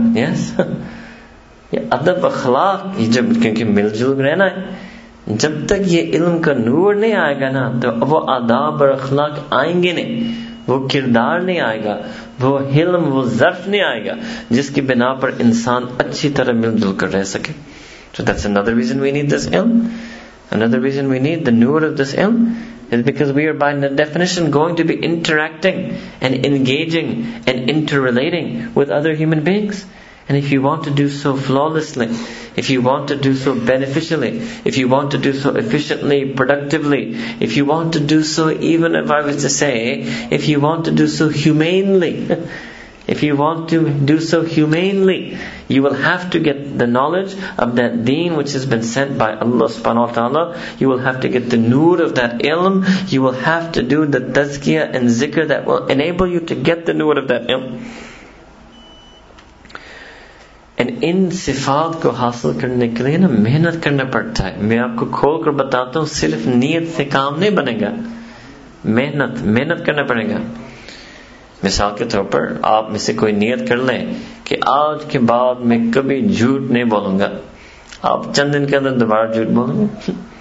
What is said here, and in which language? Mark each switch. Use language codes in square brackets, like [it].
[ur] یس, یہ ادب اخلاق, یہ جب, کیونکہ مل جل رہنا ہے. جب تک یہ علم کا نور نہیں آئے گا نا, تو وہ آداب اور اخلاق آئیں گے نہیں, وہ کردار نہیں آئے گا, وہ حلم, وہ ظرف نہیں آئے گا جس کی بنا پر انسان اچھی طرح مل جل کر رہ سکے. [en] So that's another reason we need this علم. Another reason we need the nur of this علم is because we are by the definition going to be interacting and engaging and interrelating with other human beings. And if you want to do so flawlessly, if you want to do so beneficially, if you want to do so efficiently, productively, if you want to do so, even if I was to say, if you want to do so humanely, if you want to do so humanely, you will have to get the knowledge of that deen which has been sent by Allah subhanahu wa ta'ala. You will have to get the nur of that ilm. You will have to do the tazkiyah and zikr that will enable you to get the nur of that ilm. [ur] And ان صفات کو حاصل کرنے کے لیے نا محنت کرنا پڑتا ہے. میں آپ کو کھول کر بتاتا ہوں, صرف نیت سے کام نہیں بنے گا, محنت کرنا پڑے گا. مثال کے طور پر آپ میں سے کوئی نیت کر لیں کہ آج کے بعد میں کبھی جھوٹ نہیں بولوں گا, آپ چند دن کے اندر دوبارہ جھوٹ بولیں گے.